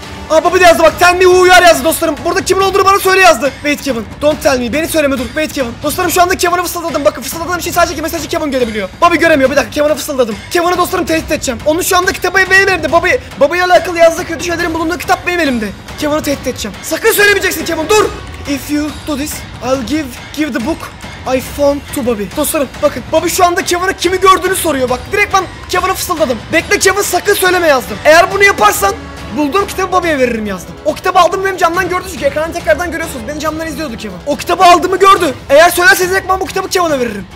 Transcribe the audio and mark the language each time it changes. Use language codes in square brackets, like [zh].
[tr] Aa Bobby de yazdı bak [en] tell me who you are [tr] yazdı dostlarım. Burada kimin olduğunu bana söyle yazdı. [en] Wait Kevin. Don't tell me. [tr] Beni söyleme dur. [en] Wait Kevin. [tr] Dostlarım şu anda Kevin'e fısıldadım. Bakın fısıldadığım şey sadece ki mesajı Kevin görebiliyor. Bobby göremiyor. Bir dakika Kevin'e fısıldadım. Kevin'e dostlarım tehdit edeceğim. Onun şu anda kitabı benim elimde. Bobby'ye alakalı yazdığı kötü şeylerin bulunduğu kitap benim elimde. Kevin'e tehdit edeceğim. Sakın söylemeyeceksin Kevin dur. [en] If you do this I'll give the book I found to Bobby. [tr] Dostlarım bakın Bobby şu anda Kevin'e kimi gördüğünü soruyor bak. Direkt ben Kevin'e fısıldadım. Bekle Kevin sakın söyleme yazdım. Eğer bunu yaparsan bulduğum kitabı Bobby'ye veririm yazdım. O kitabı aldım benim camdan gördü çünkü ekranı tekrardan görüyorsunuz. Beni camdan izliyordu Kevin. O kitabı aldığımı gördü. Eğer söylerseniz ben bu kitabı Kevin'e veririm.